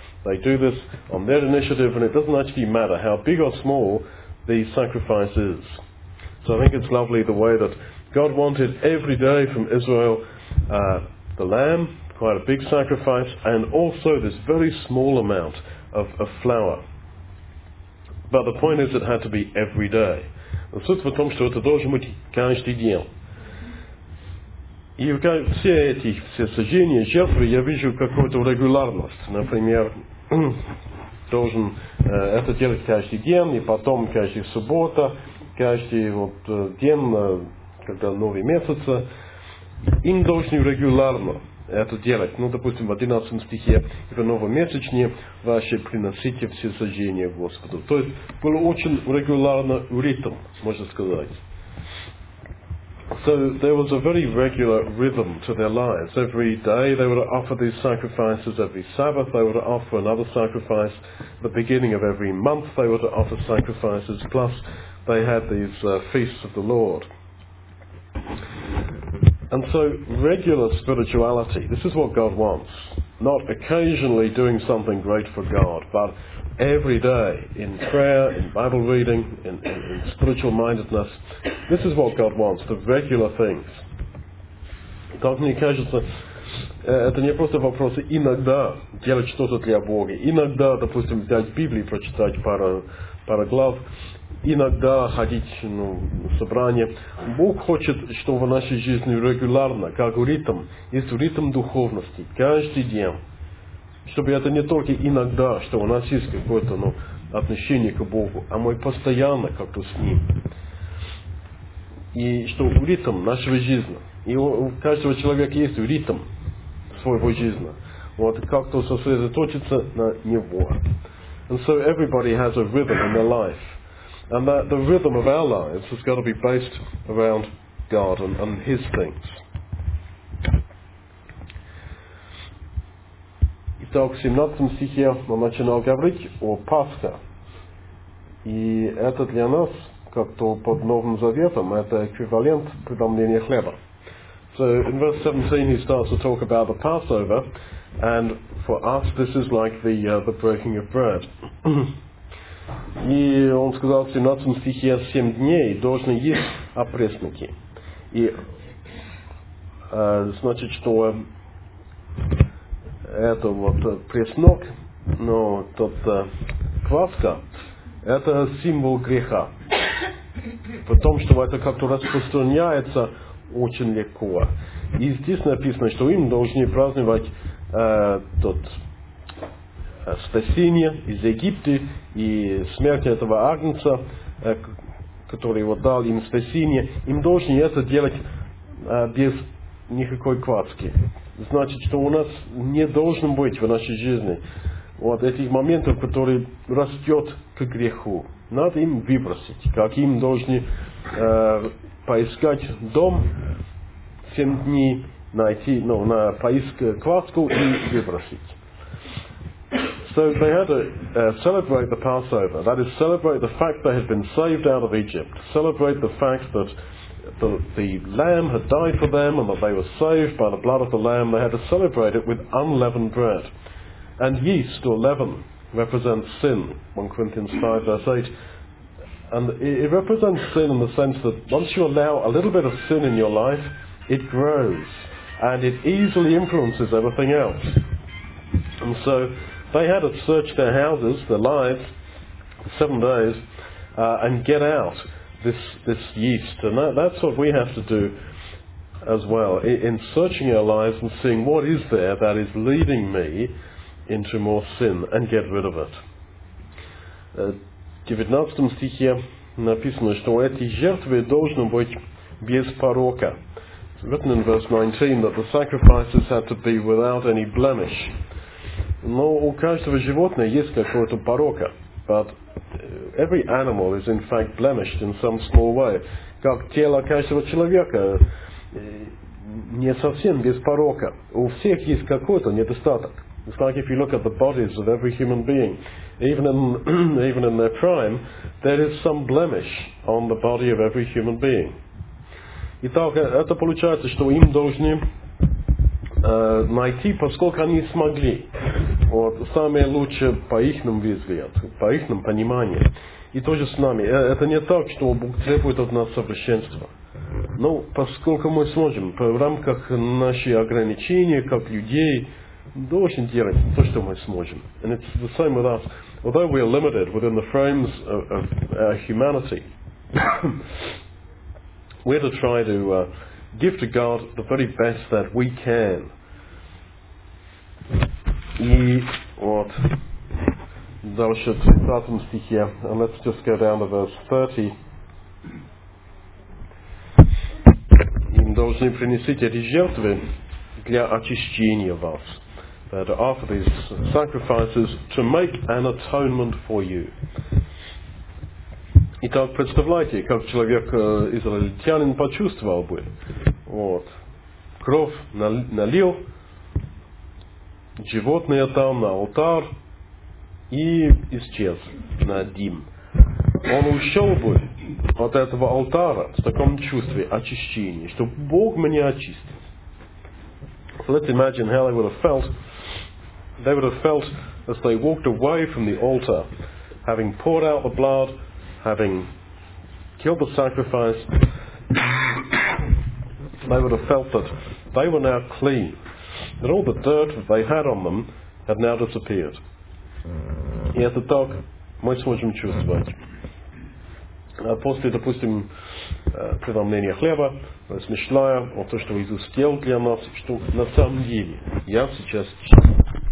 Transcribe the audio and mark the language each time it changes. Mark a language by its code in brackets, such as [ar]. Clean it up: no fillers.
[en] They do this on their initiative, and it doesn't actually matter how big or small the sacrifice is. So I think it's lovely the way that God wanted every day from Israel the lamb, quite a big sacrifice, and also this very small amount of flour. But the point is it had to be every day. [ru] Суть в том, что это должен быть каждый день. И все эти все сожжения, жертвы, я вижу какую-то регулярность. Например, должен это делать каждый день, и потом каждый суббота, каждый вот день, когда новый месяц, им должны регулярно это делать. Ну, допустим, в 11 стихе, и в новомесячне ваши приносите все сожжения Господу. То есть был очень регулярно ритм, можно сказать. [en] So there was a very regular rhythm to their lives. Every day they would offer these sacrifices. Every Sabbath they would offer another sacrifice. The beginning of every month they would offer sacrifices. Plus they had these feasts of the Lord. And so regular spirituality, this is what God wants. Not occasionally doing something great for God, but every day in prayer, in Bible reading, in spiritual mindedness. This is what God wants, the regular things. [ru] Так мне кажется, это не просто вопрос иногда делать что-то для Бога. Иногда, допустим, взять Библию, прочитать пару глав. Иногда ходить на собрание. Бог хочет, чтобы в нашей жизни регулярно, как ритм, есть ритм духовности, каждый день. Чтобы это не только иногда, что у нас есть какое-то отношение к Богу, а мы постоянно как-то с Ним. И что ритм нашего жизни. И у каждого человека есть ритм своего жизни. Вот как-то сосредоточиться на Него. [en] And so everybody has a rhythm in their life. And that the rhythm of our lives has got to be based around God and His things. [ru] Итак, в 17 стихе он начинал говорить о Пасхе. И это для нас, как-то под Новым Заветом, это эквивалент преломления хлеба. [en] So in verse 17 he starts to talk about the Passover, and for us this is like the breaking of bread. [ru] И он сказал в 17 стихе, 7 дней должны есть опресники. И значит, что это вот преснок, но тот кваска, это символ греха. В том, что это как-то распространяется очень легко. И здесь написано, что им должны праздновать тот спасение из Египта и смерть этого агнца, который вот дал им спасение. Им должны это делать без никакой кваски. Значит, что у нас не должно быть в нашей жизни вот этих моментов, которые растет к греху. Надо им выбросить, как им должны поискать дом 7 дней, найти, на поиск кваску и выбросить. [en] So they had to celebrate the Passover. That is, celebrate the fact they had been saved out of Egypt. Celebrate the fact that the lamb had died for them and that they were saved by the blood of the lamb, they had to celebrate it with unleavened bread. And yeast, or leaven, represents sin, 1 Corinthians 5 verse 8. And it represents sin in the sense that once you allow a little bit of sin in your life, it grows. And it easily influences everything else. And so they had to search their houses, their lives, 7 days, and get out this yeast. And that's what we have to do as well, in searching our lives and seeing what is there that is leading me into more sin, and get rid of it. [ru] В 19 стихе написано, что эти жертвы должны быть без порока. [en] It's written in verse 19 that the sacrifices had to be without any blemish. [ru] Но у каждого животного есть какой-то порок. [en] But every animal is in fact blemished in some small way. [ru] Как тело каждого человека не совсем без порока. У всех есть какой-то недостаток. [en] It's like if you look at the bodies of every human being, even in their prime, there is some blemish on the body of every human being. [ru] Итак, это получается, что им должны найти, поскольку они смогли, вот, самое лучшее по ихнем взгляду, по ихнем пониманию. И то же с нами. Это не так, что Бог требует от нас совершенства. Но поскольку мы сможем, в рамках наших ограничений, как людей, должен делать то, что мы сможем. [en] And it's the same with us. Although we are limited within the frames of our humanity, we're to try to give to God the very best that we can. [ru] И вот дальше 30 стихе. [en] And let's just go down to verse 30. [ru] Им должны принести эти жертвы для очищения вас. [en] To offer these sacrifices to make an atonement for you. [ru] Итак, представляете, как человек израильтянин почувствовал бы. Вот. Кровь налил, животное там на алтарь и исчез на дым. Он ушел бы от этого алтаря в таком чувстве очищения, что Бог меня очистит. [en] So let's imagine how they would have felt. They would have felt as they walked away from the altar, having poured out the blood, having killed the sacrifice, they would have felt that they were now clean, that all the dirt that they had on them had now disappeared. [ru] И это так мы сможем чувствовать. После, допустим, преломления хлеба, смешная, о том, что Иисус сделал для нас, что на самом деле я сейчас чист.